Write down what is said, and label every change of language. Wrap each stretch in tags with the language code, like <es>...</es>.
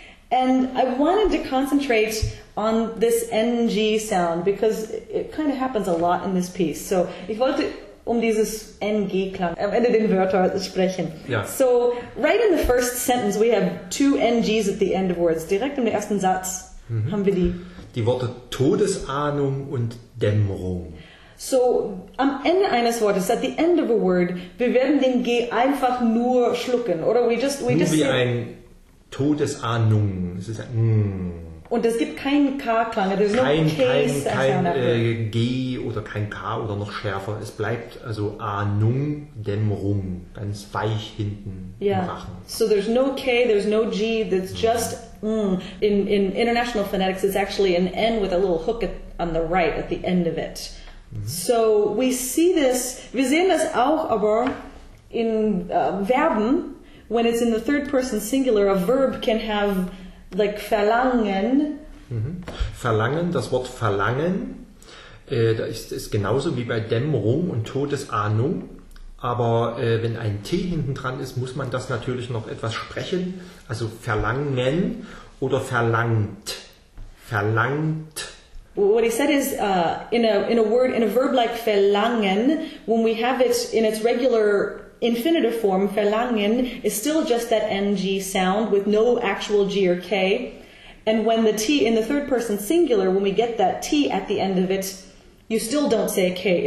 <en>And I wanted to concentrate on this NG sound because it kind of happens a lot in this piece.</en> <de>So ich wollte dieses NG-Klang, am Ende den Wörter sprechen. Yeah.</de> <en>So right in the first sentence we have two NGs at the end of words.</en> <de>Direkt im ersten Satz haben wir die Worte Todesahnung und Dämmerung. So, am Ende eines Wortes,</de> <en>at the end of a word,</en> <de>wir werden den G einfach nur schlucken, oder? Nur wie ein Todesahnung. Es ist ein Und es gibt keinen K-Klang,</de> <en>there's no</en> <de>kein, K kein, kein G oder kein K oder noch schärfer. Es bleibt also Ahnung, Dämmerung, ganz weich hinten yeah. im Rachen.</de> <en>So there's no K, there's no G, that's just M. In international phonetics, it's actually an N with a little hook on the right at the end of it. So we see this,</en> <de>wir sehen das auch aber in Verben,</de> <en>when it's in the third person singular, a verb can have like verlangen.</en> <de>Verlangen, das Wort verlangen, da ist es genauso wie bei Dämmerung und Todesahnung, aber wenn ein T hinten dran ist, muss man das natürlich noch etwas sprechen, also verlangen oder verlangt, verlangt.</de> <en>What he said is in a verb like verlangen, when we have it in its regular infinitive form, verlangen is still just that ng sound with no actual g or k, And when the T in the third person singular, when we get that T at the end of it, you still don't say K.</en>